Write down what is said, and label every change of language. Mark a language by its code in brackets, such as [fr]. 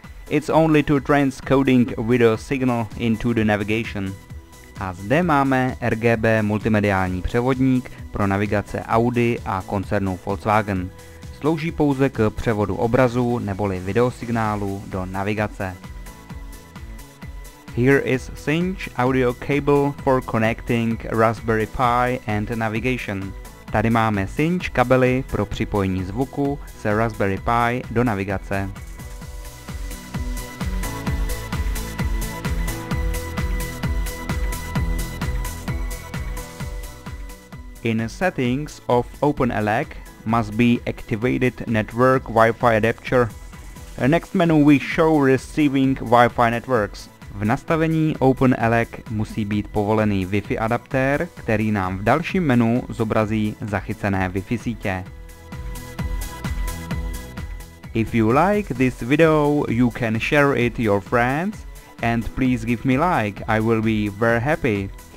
[en] It's only to transcoding video signal into the navigation. [cs] A zde máme RGB multimediální převodník pro navigace Audi a koncernu Volkswagen. Slouží pouze k převodu obrazu neboli videosignálu do navigace. [en] Here is cinch audio cable for connecting Raspberry Pi and navigation. [cs] Tady máme cinch kabely pro připojení zvuku se Raspberry Pi do navigace. [en] In settings of Openelec must be activated network Wi-Fi adapter. Next menu we show receiving Wi-Fi networks. [cs] V nastavení Openelec musí být povolený Wi-Fi adaptér, který nám v dalším menu zobrazí zachycené Wi-Fi sítě. [en] If you like this video, you can share it your friends and please give me like, I will be very happy.